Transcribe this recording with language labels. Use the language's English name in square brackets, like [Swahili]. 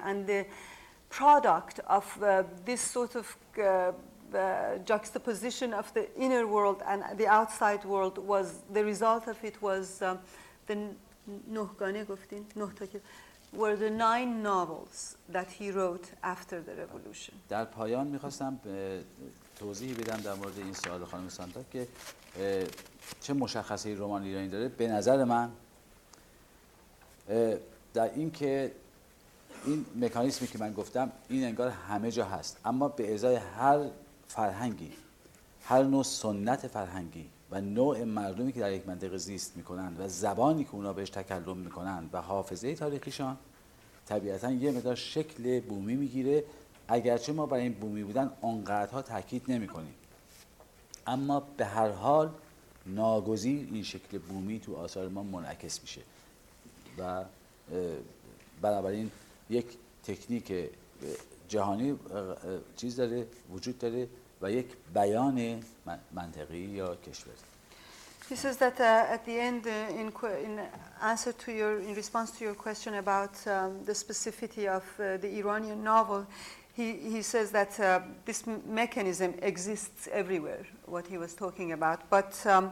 [English] And the product of this sort of juxtaposition of the inner world and the outside world was, the result of it was the Nohgane Guftin, Nohtakir, were the nine novels that he wrote after the revolution. [Persian] در پایان می‌خواستم توضیح بدم در مورد این سوال خانم سانتا که چه مشخصه‌ای رمان ایرانی داره. به نظر من در این که این مکانیزمی که من گفتم این انگار همه جا هست، اما به ازای هر فرهنگی، هر نوع سنت فرهنگی و نوع مردمی که در یک منطقه زیست میکنن و زبانی که اونا بهش تکلم میکنن و حافظه تاریخیشان، طبیعتاً یه مقدار شکل بومی میگیره، اگرچه ما برای این بومی بودن اونقدرها تاکید نمیکنیم، اما به هر حال ناگزیر این شکل بومی تو آثار ما منعکس میشه و بنابراین یک تکنیک جهانی چیز داره، وجود داره و یک بیان منطقی یا کشوری. [English] He says that at the end, in answer to your, in response to your question about the specificity of the Iranian novel, he says that this mechanism exists everywhere, what he was talking about, but